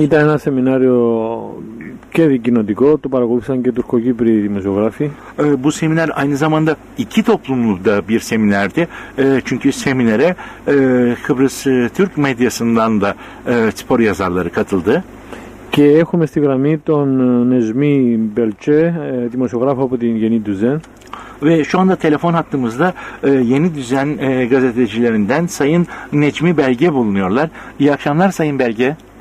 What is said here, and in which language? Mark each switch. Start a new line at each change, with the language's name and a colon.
Greek: İdare ένα σεμινάριο και δικοινωτικό, το παρακολούθησαν και τουρκοκύπριοι δημοσιογράφοι.
Turkish: Bu seminer aynı zamanda iki toplumlu da bir seminerdi. Çünkü seminere Kıbrıs Türk medyasından da spor yazarları katıldı.
Greek: Και έχουμε στη γραμμή τον Νεσμή Μπελτσέ, δημοσιογράφο από την Yeni Düzen.
Turkish: Ve şu anda telefon hattımızda Yeni Düzen gazetecilerinden Sayın Necmi Belge bulunuyorlar. İyi akşamlar Sayın Belge.